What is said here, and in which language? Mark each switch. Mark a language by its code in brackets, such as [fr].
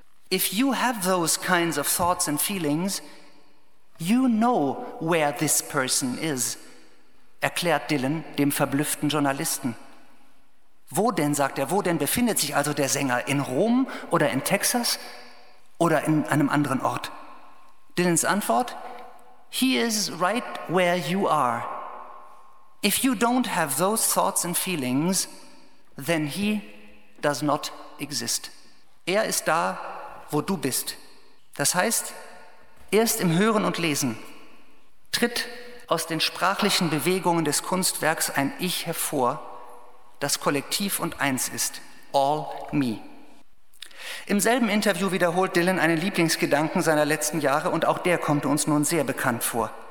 [en] If you have those kinds of thoughts and feelings, you know where this person is, [de] erklärt Dylan dem verblüfften Journalisten. Wo denn, sagt er, wo denn befindet sich also der Sänger? In Rom oder in Texas? Oder in einem anderen Ort? Dylans Antwort: [en] He is right where you are. If you don't have those thoughts and feelings, then he does not exist. [de] Er ist da, wo du bist. Das heißt, erst im Hören und Lesen tritt aus den sprachlichen Bewegungen des Kunstwerks ein Ich hervor, das kollektiv und eins ist. [en] All me. [de] Im selben Interview wiederholt Dylan einen Lieblingsgedanken seiner letzten Jahre und auch der kommt uns nun sehr bekannt vor.